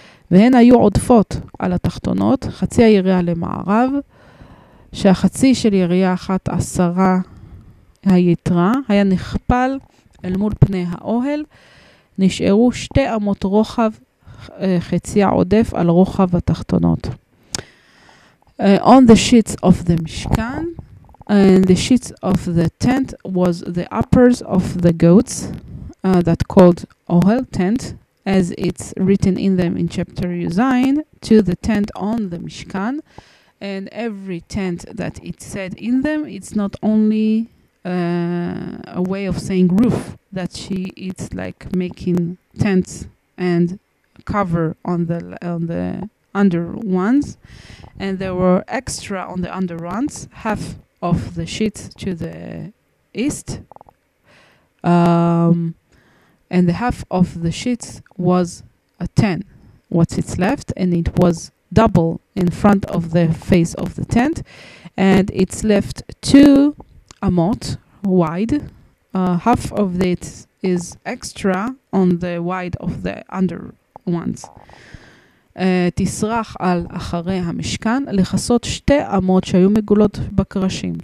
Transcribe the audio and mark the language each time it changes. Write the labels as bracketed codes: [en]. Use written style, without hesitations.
[he] והן היו עודפות על התחתונות, חצי היריעה למערב, שהחצי של יריעה אחת עשרה היתרה היה נכפל אל מול פני האוהל, נשארו שתי עמות רוחב חצי העודף על רוחב התחתונות. [en] On the sheets of the משכן, and the sheets of the tent was the uppers of the goats, that called Ohel tent, as it's written in them in chapter Yuzayin, to the tent on the משכן, and every tent that it said in them, it's not only a way of saying roof, that she it's like making tents and cover on the under ones, and there were extra on the under ones, half of the sheets to the east, and the half of the sheets was a tent what's it's left, and it was double in front of the face of the tent, and it's left 2 amot wide. Half of it is extra on the wide of the under ones. [he] תשרח על אחרי המשכן לחסות שתי עמות שהיו מגולות בקרשים.